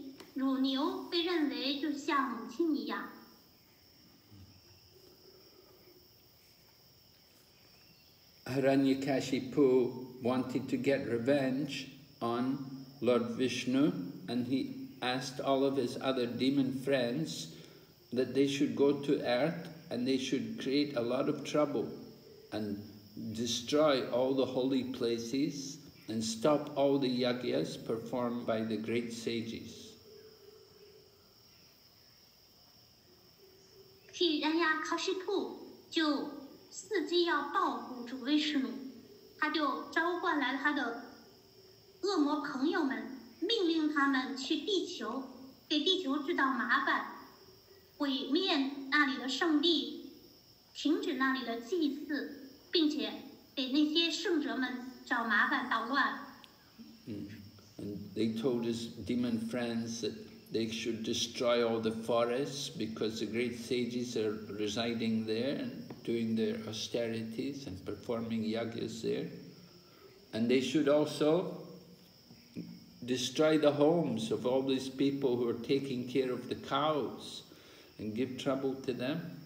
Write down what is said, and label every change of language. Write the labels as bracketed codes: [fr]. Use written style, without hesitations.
[zh] 大家都知道，当孩子婴儿出生的时候，他们唯一可以吃的食物就是奶。他们刚刚降生的时候会喝母奶，随着他们渐渐长大成人，他们就从母奶转移到喝牛奶，所以乳牛被认为就像母亲一样。 [en] Hiranyakashipu wanted to get revenge on Lord Vishnu, and he asked all of his other demon friends that they should go to earth and they should create a lot of trouble and destroy all the holy places and stop all the yajnas performed by the great sages. [zh] Hiranyakashipu 伺机要报复主威士奴，他就召唤来他的恶魔朋友们，命令他们去地球，给地球制造麻烦，毁灭那里的圣地，停止那里的祭祀，并且给那些圣者们找麻烦捣乱。 [en] And they told his demon friends that they should destroy all the forests because the great sages are residing there and doing their austerities and performing yajnas there. And they should also destroy the homes of all these people who are taking care of the cows and give trouble to them.